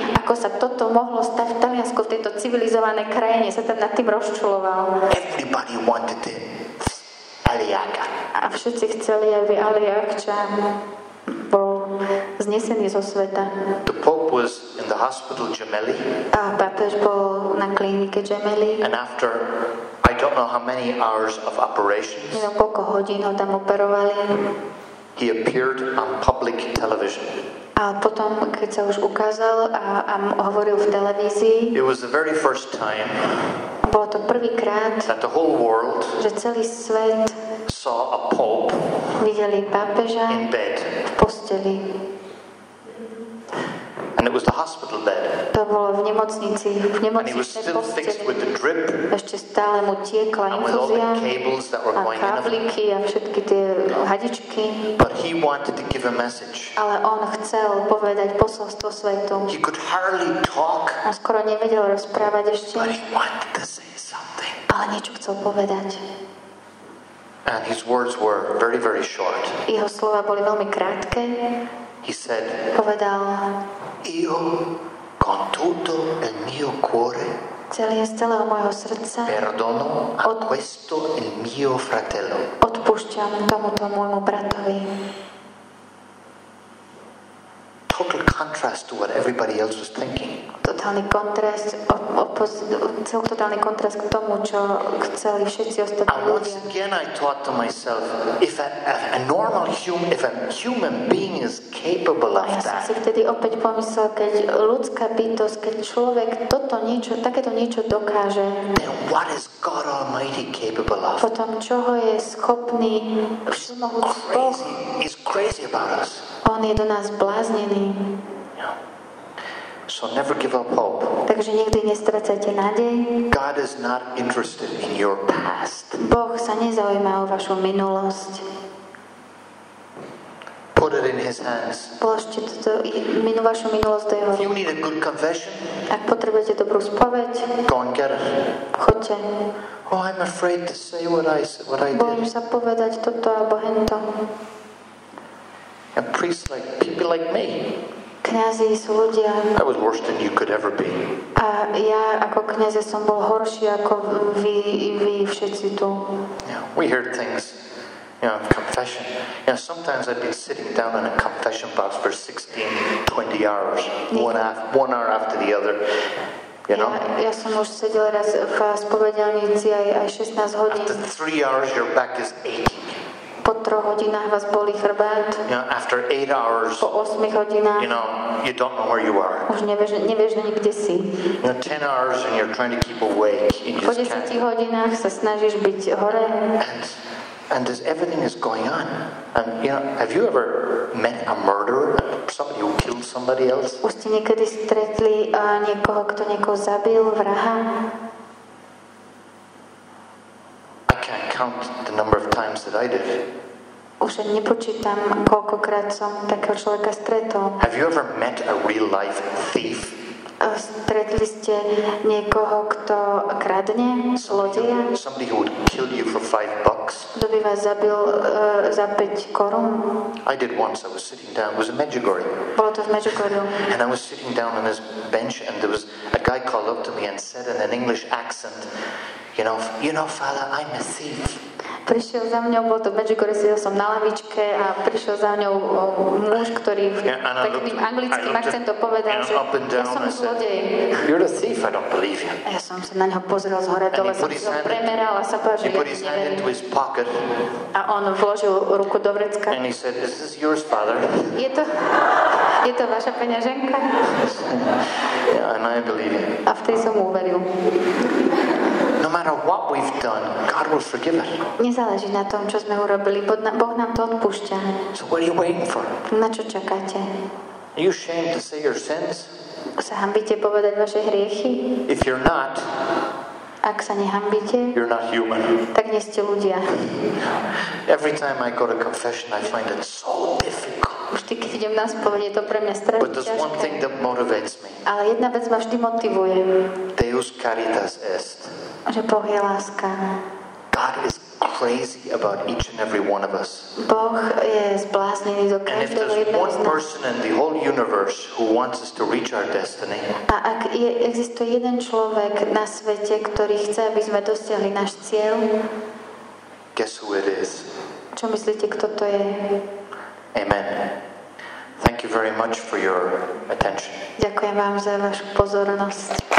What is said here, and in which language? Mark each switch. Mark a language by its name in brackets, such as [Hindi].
[Slovak] ako sa toto mohlo stať v Taliansku, v tejto civilizovanej krajine, sa tam nad tým rozčuloval. [English] Everybody wanted it. Aliaga. [Slovak] A všetci chceli, aby Aliakča bol znesený zo sveta. [English] The Pope was in the hospital Gemelli. [Slovak] A pápež bol na klinike Gemelli. [English] And after I don't know how many hours of operations. [Slovak] Neviem, koľko hodín ho tam operovali. [English] He appeared on public television. [Slovak] A potom, keď sa už ukázal a hovoril v televízii. [English] It was the very first time. [Slovak] Bolo to prvýkrát, [English] that the whole world, [Slovak] že celý svet [English] saw a pope, [Slovak] videli pápeža [English] in bed, [Slovak] v posteli. [English] And it was the hospital bed. [Slovak] To bolo v nemocnici, v nemocničnej posteli. [English] And he was still fixed with the drip, [Slovak] ešte stále mu tiekla infúzia a kábliky a všetky tie hadičky. [English] But he wanted to give a message. [Slovak] Ale on chcel povedať posolstvo svetu. [English] He could hardly talk. [Slovak] On skoro nevedel rozprávať ešte. [English] But he wanted to say something. [Slovak] Ale niečo chcel povedať. [English] And his words were very, very short. [Slovak] Jeho slova boli veľmi krátke. [English] He said, [Slovak] povedal, [Italian] io con tutto il mio cuore, [Slovak] celé z celého mojho srdca, [Italian] perdono a questo il mio fratello, [Slovak] odpúšťam tomuto môjmu bratovi. [English] Total contrast to what everybody else was thinking. [Slovak] Totálny kontrast, celototálny kontrast k tomu, čo chceli všetci ostatní ľudia. [English] And once again I thought to myself, if a normal human, if a human being is capable of that. [Slovak] A ja som si vtedy opäť pomyslel, keď ľudská bytosť, keď človek toto niečo, takéto niečo dokáže. [English] Then what is God Almighty capable of? [Slovak] Potom čoho je schopný všemohúci Boh? [English] He's crazy about us. [Slovak] On je do nás bláznený. [English] So never give up hope. [Slovak] Takže nikdy nestracajte nádej. [English] God is not interested in your past. [Slovak] Boh sa nezaujíma o vašu minulosť. [English] Put it in his hands. [Slovak] Položte toto vašu minulosť do jeho. [English] You need a good confession. [Slovak] Ak potrebujete dobrú spoveď. [English] Go and get it. [Slovak] Choďte. [English] Oh, I'm afraid to say what I did. [Slovak] Bojím sa povedať toto alebo hento. [English] And priests like people like me. [Slovak] Kňazi sú ľudia. [English] I was worse than you could ever be. [Slovak] A ja ako kňaz som bol horší ako vy všetci tu. [English] Yeah, we heard things. Yeah, you know, confession. Yeah, you know, sometimes I've been sitting down in a confession box for 16, 20 hours, one hour after the other. You know? [Slovak] Ja som už sedel raz v spovedelnici aj 16 hodín. [English] After 3 hours, your back is aching. [Slovak] Po 3 hodinách vás bolí chrbát. [English] You know, after 8 hours. [Slovak] Po 8 hodinách. [English] You know, you don't know where you are. [Slovak] Už nevieš, ani kde si. [English] You know, 10 hours and you're trying to keep awake. [Slovak] Po 10 hodinách sa snažíš byť hore. [English] And this everything is going on. And you know, have you ever met a murderer? Somebody who killed somebody else? [Slovak] Už ste niekedy stretli niekoho, kto niekoho zabil, vraha? [English] Count the number of times that I did. [Slovak] Už nepočítam, koľkokrát som takého človeka stretol. [English] Have you ever met a real life thief? [Slovak] Stretli ste niekoho, kto kradne, zlodeja? [English] Somebody who would kill you for $5. [Slovak] Kto by vás zabil za 5 korún? [English] I did once. I was sitting down. It was in Medjugorje. [Slovak] Bolo to v Medjugorju. [English] And I was sitting down on this bench and there was a guy called up to me and said in an English accent, You know, father, I'm a thief. [Slovak] Prišiel za mňou, bol to Medjugorje, sedel som na lavičke a prišiel za mňou muž, ktorý takým anglickým akcentom povedal, že ja som zlodej. [English] You're a thief, I don't believe you. [Slovak] Ja som sa na neho pozrel z hore dole, som si ho premeral a sa povedal, že ja ti neverím. A on vložil ruku do vrecka. [English] And he said, is this yours, father? [Slovak] Je to vaša peňaženka? [English] Yeah, and I believe you. [Slovak] A vtedy som mu uveril. [English] No matter what we've done, God will forgive us. [Slovak] Nezáleží na tom, čo sme urobili, Boh nám to odpúšťa. [English] So what are you waiting for? [Slovak] Na čo čakáte? [English] Are you ashamed to say your sins? [Slovak] Sa hanbíte povedať vaše hriechy? [English] If you're not, [Slovak] ak sa nehanbíte, [English] you're not human. [Slovak] Tak nie ste ľudia. [English] Every time I go to confession, I find it so difficult. [Slovak] vždy, keď idem na spoveď, je to pre mňa strašne ťažké. [English] But there's one thing that motivates me. [Slovak] Ale jedna vec ma vždy motivuje. [Latin] Deus caritas est. [Slovak] Že Boh je láska. [English] God is crazy about each and every one of us. [Slovak] Boh je zbláznený do každého jedného z nás. [English] And if there's one person in the whole universe who wants us to reach our destiny. [Slovak] A ak existuje jeden človek na svete, ktorý chce, aby sme dosiahli náš cieľ. [English] Guess who it is. [Slovak] Čo myslíte, kto to je? [English] Amen. Thank you very much for your attention. [Slovak] Ďakujem vám za vašu pozornosť.